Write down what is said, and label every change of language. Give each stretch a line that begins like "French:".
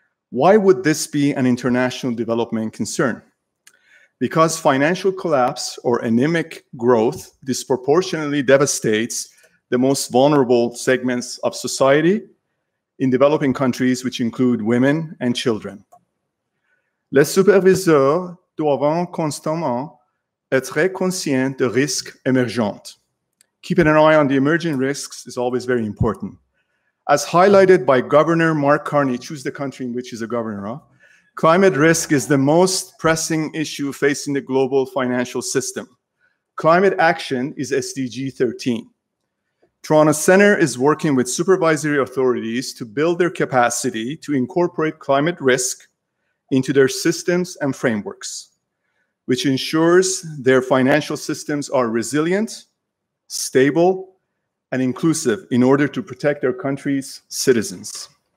English: Why would this be an international development concern? Because financial collapse or anemic growth disproportionately devastates the most vulnerable segments of society in developing countries, which include women and children.
French: Les superviseurs doivent constamment être conscients de risques émergents.
English: Keeping an eye on the emerging risks is always very important. As highlighted by Governor Mark Carney, choose the country in which he's a governor, climate risk is the most pressing issue facing the global financial system. Climate action is SDG 13. Toronto Centre is working with supervisory authorities to build their capacity to incorporate climate risk into their systems and frameworks, which ensures their financial systems are resilient, stable, and inclusive in order to protect their country's citizens.